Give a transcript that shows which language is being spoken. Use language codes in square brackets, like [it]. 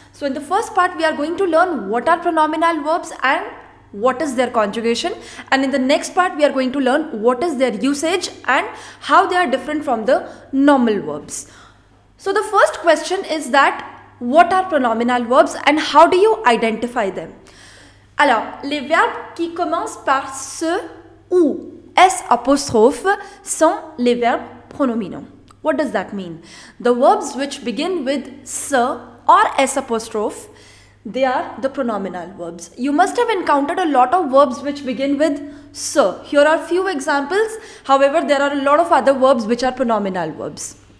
[en] So in the first part, we are going to learn what are pronominal verbs and what is their conjugation. And in the next part, we are going to learn what is their usage and how they are different from the normal verbs. So the first question is that what are pronominal verbs and how do you identify them? [fr] Alors, les verbes qui commencent par ce ou s apostrophe sont les verbes pronominaux. [en] What does that mean? The verbs which begin with ce or s apostrophe, they are the pronominal verbs. You must have encountered a lot of verbs which begin with se. Here are few examples. However, there are a lot of other verbs which are pronominal verbs.